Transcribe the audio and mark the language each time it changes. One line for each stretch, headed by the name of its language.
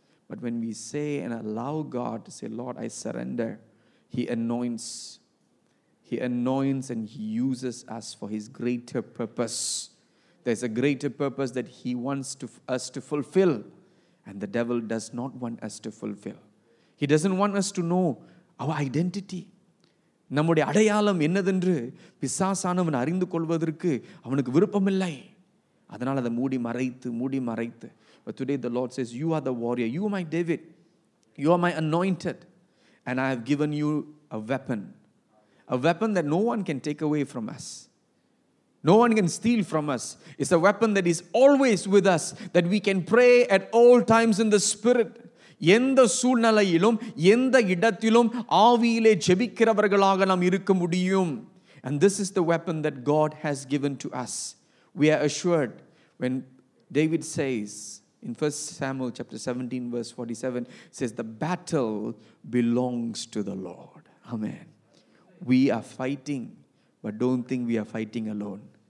English: But when we say and allow God to say, Lord, I surrender, He anoints. He anoints and He uses us for His greater purpose. There's a greater purpose that He wants us to fulfill. And the devil does not want us to fulfill. He doesn't want us to know our identity.
Tamil: நம்முடைய அடையாளம் என்னதென்று பிசாசானவன் அறிந்து கொள்வதற்கு அவனுக்கு விருப்பம் இல்லை. அதனால் அதை மூடி மறைத்து.
English: But today the Lord says, you are the warrior. You are my David. You are my anointed. And I have given you a weapon. A weapon that no one can take away from us. No one can steal from us. It's a weapon that is always with us. That we can pray at all times in the Spirit.
Tamil: எந்த சூழ்நிலையிலும் எந்த இடத்திலும் ஆவியிலே ஜெபிக்கிறவர்களாக நாம் இருக்க முடியும்.
English: And this is the weapon that God has given to us. We are assured when David says in 1 Samuel chapter 17 verse 47, says the battle belongs to the Lord. Amen. We are fighting, but don't think we are fighting alone.